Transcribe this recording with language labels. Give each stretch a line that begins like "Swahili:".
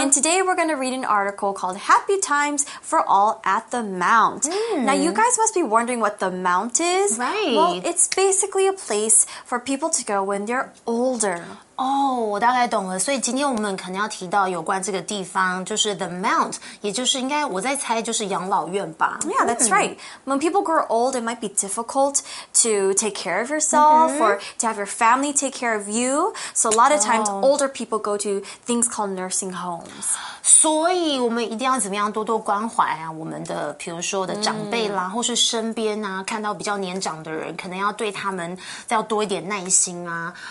English: And today we're going to read an article called Happy Times for All at the Mount. Mm. Now you guys must be wondering what the Mount is. Right. Well, it's basically a place for people to go when they're older.
Chinese: Oh, 我大概懂了。所以今天我们可能要提到有关这个地方，就是 the mount， 也就是应该我在猜就是养老院吧。
English: Yeah, that's right. When people grow old, it might be difficult to take care of yourself、mm-hmm. or to have your family take care of you. So a lot of times,、oh. older people go to things called nursing homes.
Chinese: 所以我们一定要怎么样多多关怀啊，我们的比如说的长辈啦、mm. 或是身边啊，看到比较年长的人，可能要对他们再要多一点耐心啊。